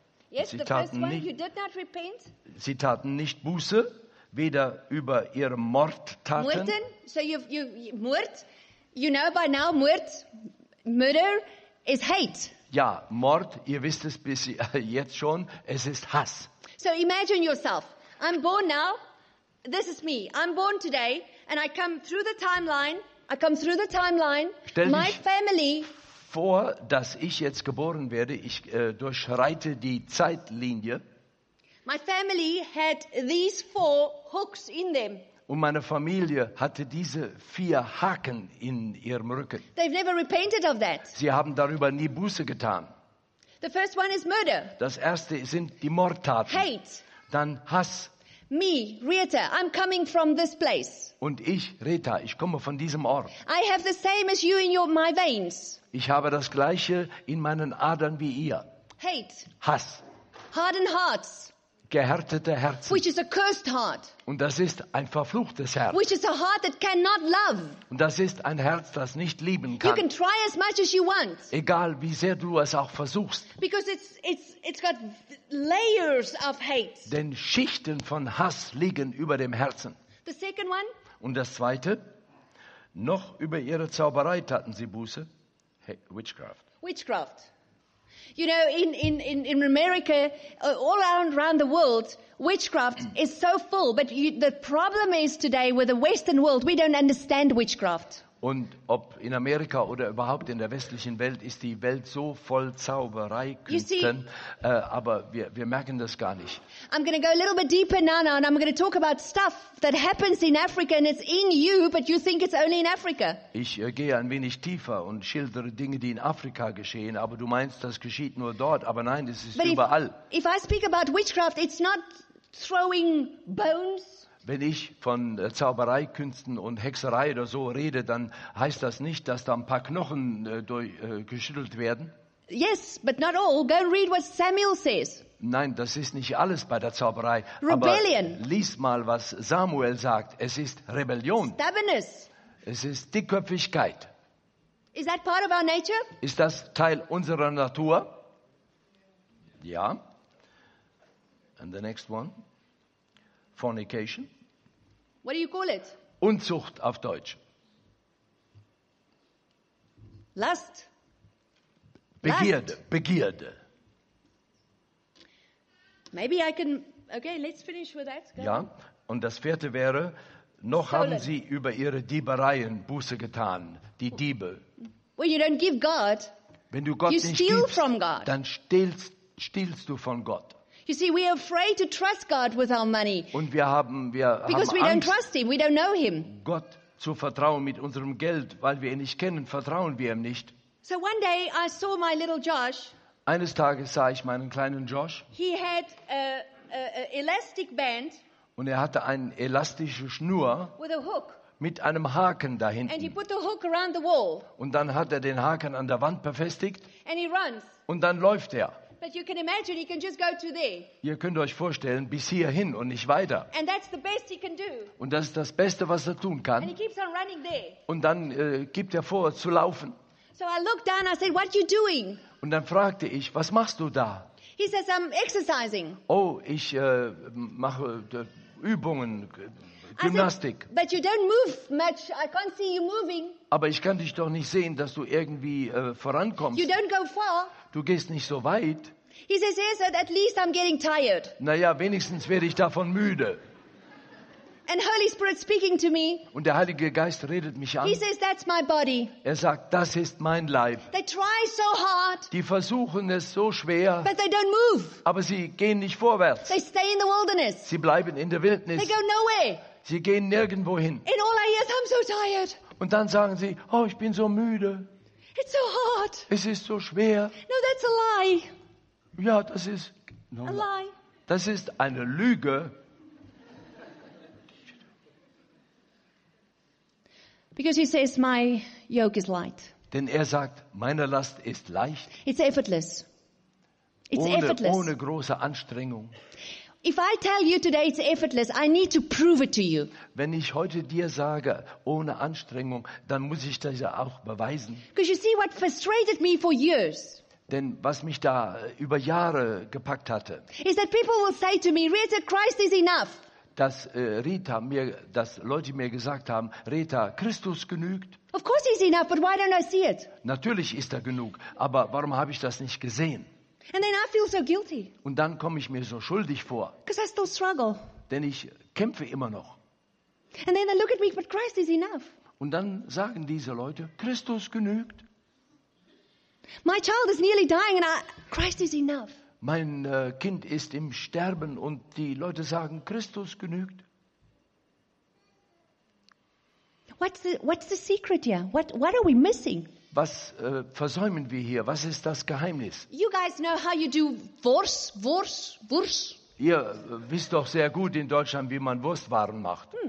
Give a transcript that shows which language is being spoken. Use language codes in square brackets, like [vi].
[en] Yes, [de] sie taten [en] the first one, you did not repent. [de] Sie taten nicht Buße, weder über ihre Mordtaten. [en] Morden, so Mord, you know by now, Mord, murder is hate. [de] Ja, Mord, ihr wisst es bis jetzt schon, es ist Hass. [en] So imagine yourself. I'm born now. This is me. I'm born today and I come through the timeline. I come through the timeline. [de] Stell my dich family vor, dass ich jetzt geboren werde. Ich durchschreite die Zeitlinie. [en] My family had these four hooks in them. [de] Und meine Familie hatte diese vier Haken in ihrem Rücken. [en] They've never repented of that. [de] Sie haben darüber nie Buße getan. [en] The first one is murder. [de] Das erste sind die Mordtaten. [en] Hate. [de] Dann Hass. [en] Me, Rita, I'm coming from this place. [de] Und ich, Rita, ich komme von diesem Ort. [en] I have the same as you in my veins. [de] Ich habe das gleiche in meinen Adern wie ihr. [en] Hate. [de] Hass. [en] Hardened hearts. [de] Gehärtete Herzen. [en] Which is a cursed heart. [de] Und das ist ein verfluchtes Herz. [en] Which is a heart that cannot love. [de] Und das ist ein Herz, das nicht lieben kann. [en] You can try as much as you want. [de] Egal wie sehr du es auch versuchst. [en] Because it's got layers of hate. [de] Denn Schichten von Hass liegen über dem Herzen. [en] The second one. [de] Und das zweite. Noch über ihre Zauberei taten sie Buße. [en] Hey, witchcraft. Witchcraft. You know, in America, all around the world, witchcraft is so full. But the problem is today with the Western world, we don't understand witchcraft. [de] Und ob in Amerika oder überhaupt in der westlichen Welt ist die Welt so voll Zauberei, Künsten, aber wir merken das gar nicht. [en] I'm going to go a little bit deeper now and I'm going to talk about stuff that happens in Africa and it's in you, but you think it's only in Africa. [de] Ich gehe ein wenig tiefer und schildere Dinge, die in Afrika geschehen, aber du meinst, das geschieht nur dort, aber nein, es ist überall. [en] If I speak about witchcraft, it's not throwing bones. [de] Wenn ich von Zaubereikünsten und Hexerei oder so rede, dann heißt das nicht, dass da ein paar Knochen geschüttelt werden. [en] Yes, but not all. Go and read what Samuel says. [de] Nein, das ist nicht alles bei der Zauberei. [en] Rebellion. [de] Aber lies mal, was Samuel sagt. Es ist Rebellion. [en] Stubbornness. [de] Es ist Dickköpfigkeit. [en] Is that part of our nature? [de] Ist das Teil unserer Natur? [en] Ja. And the next one. Fornication. What do you call it? [de] Unzucht auf Deutsch. [en] Lust. [de] Begierde. Lust. Begierde. [en] Maybe I can. Okay, let's finish with that. [de] Go ja, und das vierte wäre: Noch Stolen. Haben sie über ihre Diebereien Buße getan, die Diebe. [en] When you don't give God, [de] wenn du Gott [en] you [de] nicht [en] steal [de] gibst, [en] from God. [de] Dann stiehlst du von Gott. [en] You see, we are afraid to trust God with our money. [de] Und wir haben [en] because we [de] Angst, [en] don't trust Him, we don't know Him. [de] Gott zu vertrauen mit unserem Geld, weil wir ihn nicht kennen, vertrauen wir ihm nicht. [en] So one day I saw my little Josh. [de] Eines Tages sah ich meinen kleinen Josh. [en] He had a elastic band. [de] Und er hatte eine elastische Schnur. [en] With a hook. [de] Mit einem Haken da hinten. [en] And he put the hook around the wall. [de] Und dann hat er den Haken an der Wand befestigt. [en] And he runs. [de] Und dann läuft er. [en] But you can imagine he can just go to there. [de] Ihr könnt euch vorstellen, bis hierhin und nicht weiter. [en] And that's the best he can do. [de] Und das ist das Beste, was er tun kann. [en] And he keeps on running there. [de] Und dann gibt er vor zu laufen. [en] So I looked down, I said, "What are you doing?" [de] Und dann fragte ich, was machst du da? [en] He says, "I'm exercising." [de] Oh, ich mache Übungen, Gymnastik. [en] I said, "But you don't move much. I can't see you moving." [de] Aber ich kann dich doch nicht sehen, dass du irgendwie vorankommst. [en] You don't go far. [de] Du gehst nicht so weit. [en] He says, yes, at least I'm getting tired. [de] Naja, wenigstens werde ich davon müde. [en] And Holy Spirit speaking to me. [de] Und der Heilige Geist redet mich an. [en] He says, that's my body. [de] Er sagt, das ist mein Leib. [en] They try so hard. [de] Die versuchen es so schwer. [en] But they don't move. [de] Aber sie gehen nicht vorwärts. [en] They stay in the wilderness. [de] Sie bleiben in der Wildnis. [en] They go nowhere. [de] Sie gehen nirgendwo hin. [en] And all I hear is, I'm so tired. [de] Und dann sagen sie, oh, ich bin so müde. [en] It's so hard. [de] Es ist so schwer. [en] No, that's a lie. [de] Ja, das ist [en] a lie. [de] Das ist eine Lüge. [en] Because he says my yoke is light. [de] Denn er sagt, meine Last ist leicht. [en] It's effortless. It's effortless. [de] Ohne große Anstrengung. [en] If I tell you today it's effortless, I need to prove it to you. [de] Wenn ich heute dir sage, ohne Anstrengung, dann muss ich das ja auch beweisen. [en] Because you see what frustrated me for years. [de] Denn was mich da über Jahre gepackt hatte. [en] Is that people will say to me, Rita, Christ is enough. [de] Dass Rita mir, dass Leute mir gesagt haben, Rita, Christus genügt. [en] Of course he's enough, but why don't I see it? [de] Natürlich ist er genug, aber warum habe ich das nicht gesehen? [en] And then I feel so guilty. [de] Und dann komme ich mir so schuldig vor. [en] Because I still struggle. [de] Denn ich kämpfe immer noch. [en] And then they look at me, but Christ is enough. [de] Und dann sagen diese Leute, Christus genügt. [en] My child is nearly dying and Christ is enough. [de] Mein Kind ist im Sterben und die Leute sagen, Christus genügt. [en] What's the secret here? What are we missing? [de] Was versäumen wir hier? Was ist das Geheimnis? [en] You guys know how you do Wurst. [de] Ihr wisst doch sehr gut in Deutschland, wie man Wurstwaren macht.